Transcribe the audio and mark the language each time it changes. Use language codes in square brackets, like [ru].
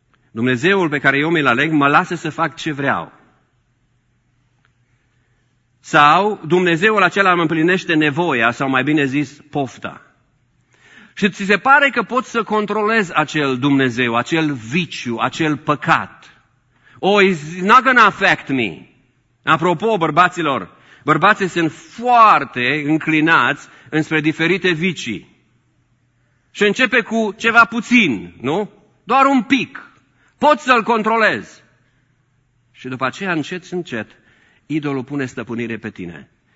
[ro] Dumnezeul pe care eu mi-l aleg mă lasă să fac ce vreau. Sau Dumnezeul acela îmi împlinește nevoia, sau mai bine zis, pofta. Și ți se pare că poți să controlezi acel Dumnezeu, acel viciu, acel păcat. [en] Oh, it's not gonna affect me. [ro] Apropo, bărbaților, bărbații sunt foarte înclinați înspre diferite vicii. Și începe cu ceva puțin, nu? Doar un pic. Poți să-l controlezi. Și după aceea, încet, încet, idolul pune stăpânire pe tine.